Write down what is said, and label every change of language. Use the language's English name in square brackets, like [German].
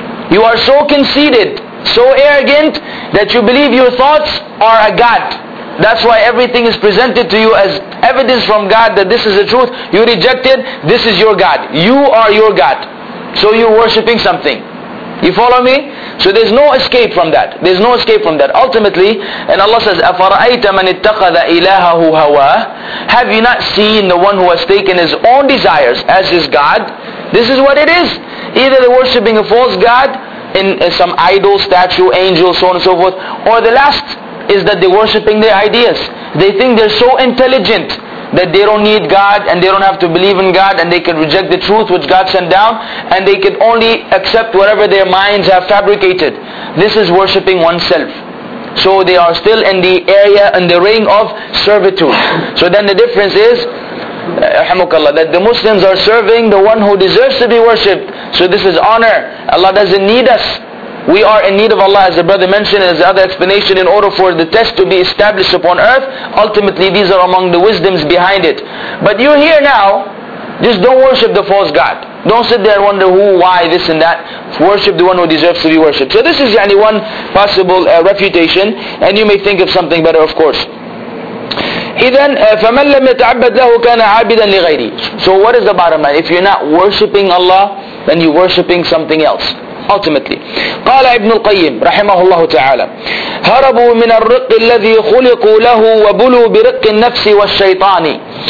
[English] You are so conceited, so arrogant, that you believe your thoughts are a god. That's why everything is presented to you as evidence from God that this is the truth. You reject it, this is your god. You are your god. So you're worshipping something. You follow me? So there's no escape from that. There's no escape from that. Ultimately, and Allah says, [Arabic] أَفَرَأَيْتَ مَنِ اتَّخَذَ إِلَهَهُ هَوَاهُ. [English] Have you not seen the one who has taken his own desires as his god? This is what it is. Either they're worshipping a false god in some idol, statue, angel, so on and so forth. Or the last is that they're worshipping their ideas. They think they're so intelligent that they don't need God and they don't have to believe in God and they can reject the truth which God sent down and they can only accept whatever their minds have fabricated. This is worshipping oneself. So they are still in the area, in the ring of servitude. So then the difference is, alhamdulillah, that the Muslims are serving the one who deserves to be worshipped. So this is honor. Allah doesn't need us. We are in need of Allah, as the brother mentioned, as the other explanation, in order for the test to be established upon earth. Ultimately, these are among the wisdoms behind it. But you're here now, just don't worship the false god. Don't sit there and wonder who, why, this and that. Worship the one who deserves to be worshipped. So this is only one possible refutation, and you may think of something better, of course. [Arabic] إذن فمن لم يتعبد له كان عابدا لغيري. [English] So what is the bottom line? If you're not worshipping Allah, then you're worshipping something else. [Arabic] Ultimately, قال ابن القيم رحمه الله تعالى هربوا من الرق الذي خلقوا له وبلوا برق النفس والشيطان.